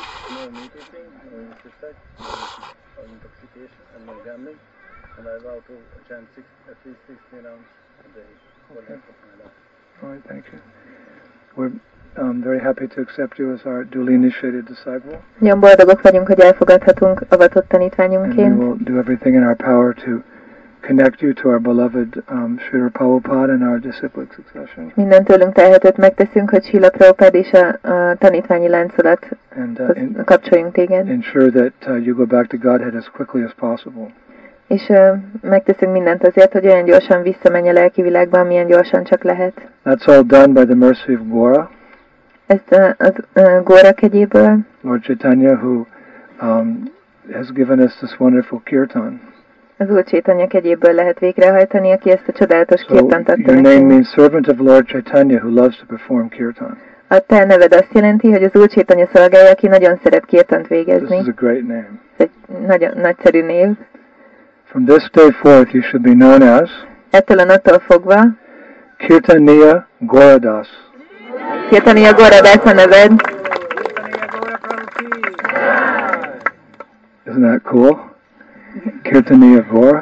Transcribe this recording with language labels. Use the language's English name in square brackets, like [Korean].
[English] No meditating, no exercise, no intoxication, and no gambling. And I vow to chant at least 60 rounds. Okay. All right, thank you. We're very happy to accept you as our duly initiated disciple. [Hungarian] Nagyon boldogok vagyunk, hogy elfogadhatunk avatott tanítványunként. [English] And we will do everything in our power to connect you to our beloved Srila Prabhupada and our disciplic succession. [Hungarian] Minden tőlünk tehetőt megteszünk, hogy Srila Prabhupada és a tanítványi láncolat kapcsoljunk téged. [English] Ensure that you go back to Godhead as quickly as possible. [Hungarian] És megteszünk mindent azért, hogy olyan gyorsan visszamenj a lelki világba, amilyen gyorsan csak lehet. [English] That's all done by the mercy of Gora. [Hungarian] Ezt a Gora kegyéből. [English] Lord Chaitanya, who has given us this wonderful kirtan. [Hungarian] Az Úr Chaitanya kegyéből lehet végrehajtani, aki ezt a csodálatos [English] so [Hungarian] kirtant adta. [English] Your name means servant of Lord Chaitanya, who loves to perform kirtan. [Hungarian] A te neved azt jelenti, hogy az Úr Chaitanya szolgálja, aki nagyon szeret kirtant végezni. [English] This is a great name. [Hungarian] Ez egy nagyon nagyszerű név. [English] From this day forth, you should be known as [Hungarian] ettől a naptól fogva [English] Kirtaniya Goradas. [Hungarian] Kirtaniya Goradas a neved. [English] Isn't that cool? Kirtaniya Gora.